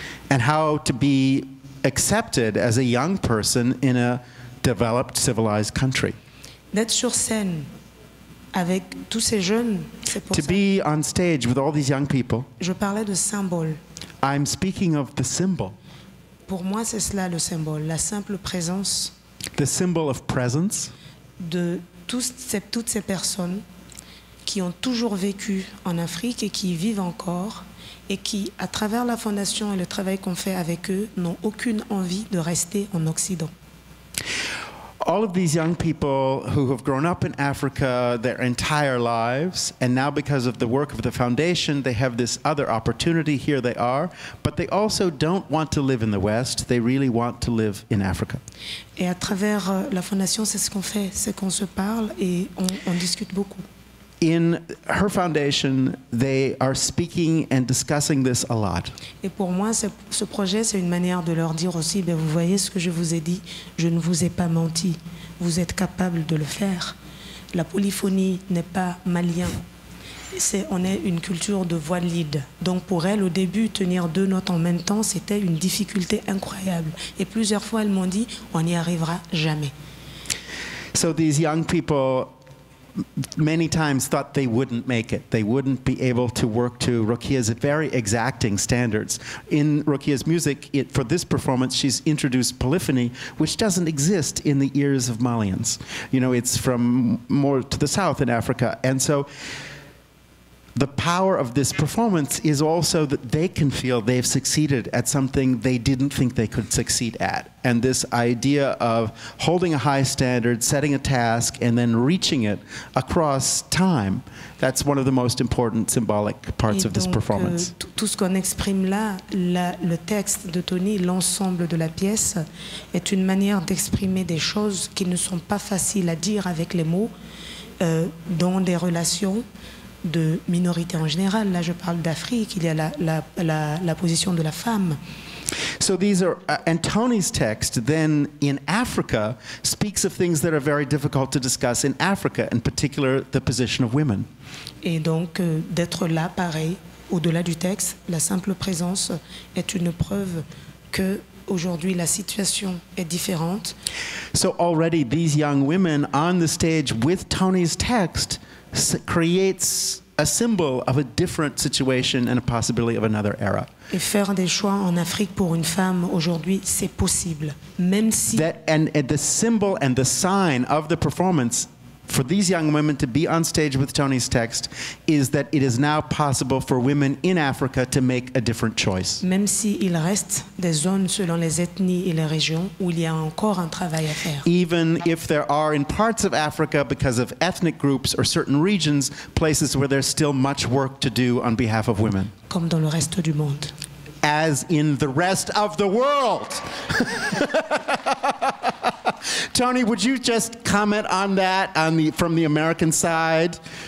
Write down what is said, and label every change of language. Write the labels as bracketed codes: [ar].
[en] And how to be accepted as a young person in a developed, civilized country. [fr] D'être sur scène avec tous ces jeunes, c'est pour [en] to [fr] ça. [en] Be on stage with all these young people. [fr] Je parlais de symbole. [en] I'm speaking of the symbol. [fr] Pour moi, c'est cela le symbole, la simple présence. [en] The symbol of presence. [fr] De toutes ces personnes qui ont toujours vécu en Afrique et qui vivent encore. Et qui, à travers la fondation et le travail qu'on fait avec eux, n'ont aucune envie de rester en Occident. [en] All of these young people who have grown up in Africa their entire lives, and now because of the work of the foundation, they have this other opportunity, here they are, but they also don't want to live in the West, they really want to live in Africa. [fr] Et à travers la fondation, c'est ce qu'on fait, c'est qu'on se parle et on discute beaucoup. [en] In her foundation, they are speaking and discussing this a lot. [fr] Et pour moi, ce projet, c'est une manière de leur dire aussi, ben vous voyez ce que je vous ai dit, je ne vous ai pas menti, vous êtes capable de le faire. La polyphonie n'est pas malien. On est une culture de voix lead. Donc pour elle, au début, tenir deux notes en même temps, c'était une difficulté incroyable. Et plusieurs fois, elles m'ont dit, on n'y arrivera jamais. [en] So these young people many times thought they wouldn't make it. They wouldn't be able to work to Rokia's very exacting standards. In Rokia's music, for this performance, she's introduced polyphony, which doesn't exist in the ears of Malians. You know, it's from more to the south in Africa. And so the power of this performance is also that they can feel they've succeeded at something they didn't think they could succeed at. And this idea of holding a high standard, setting a task, and then reaching it across time, that's one of the most important symbolic parts [fr] et [en] of this [fr] donc, [en] performance. [fr] Tout ce qu'on exprime là, le texte de Toni, l'ensemble de la pièce, est une manière d'exprimer des choses qui ne sont pas faciles à dire avec les mots, dans des relations de minorité en général. Là, je parle d'Afrique. Il y a la position de la femme. [en] So these are and Toni's text then in Africa speaks of things that are very difficult to discuss in Africa, in particular the position of women. [fr] Et donc d'être là, pareil, au-delà du texte, la simple présence est une preuve que aujourd'hui la situation est différente. [en] So already these young women on the stage with Toni's text creates a symbol of a different situation and a possibility of another era. [fr] Et faire des choix en Afrique pour une femme aujourd'hui, c'est possible, même si [en] that, and the symbol and the sign of the performance for these young women to be on stage with Toni's text is that it is now possible for women in Africa to make a different choice. [fr] Même si il reste des zones selon les ethnies et les régions où il y a encore un travail à faire. [en] Even if there are in parts of Africa because of ethnic groups or certain regions, places where there's still much work to do on behalf of women. [fr] Comme dans le reste du monde. [en] As in the rest of the world. Toni, would you just comment on that from the American side?